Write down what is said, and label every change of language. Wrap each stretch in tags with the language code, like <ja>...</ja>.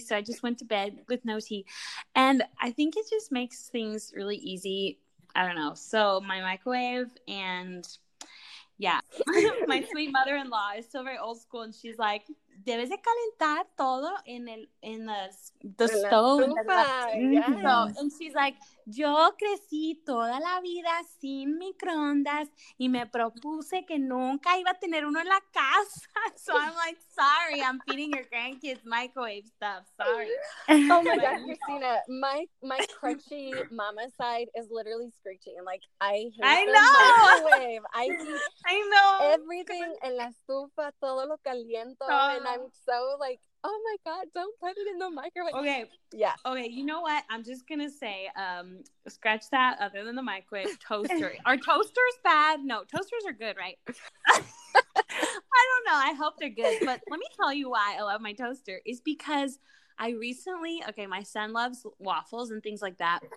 <en>So I just went to bed with no tea. And I think it just makes things really easy. I don't know. So my microwave and yeah, my sweet mother-in-law is still very old school. And she's like,</en> <es>debes de calentar todo en</es> <en>the stove. And she's like,</en> <es>yo crecí toda la vida sin microondas y me propuse que nunca iba a tener uno en la casa.</es> <en>So I'm like, sorry, I'm feeding your grandkids microwave stuff. Sorry. Oh my God, Christina, my crunchy mama side is literally screeching. Like, I hate the microwave. I know. Everything</en> <es>en la estufa, todo lo caliento.</es> <en>And I'm so like, oh my God, don't put it in the microwave. Okay. Yeah. Okay. You know what? I'm just going to say, scratch that, other than the microwave, toaster. Are toasters bad? No, toasters are good, right? I don't know. I hope they're good. But let me tell you why I love my toaster. It's because I recently, okay, my son loves waffles and things like that.</en>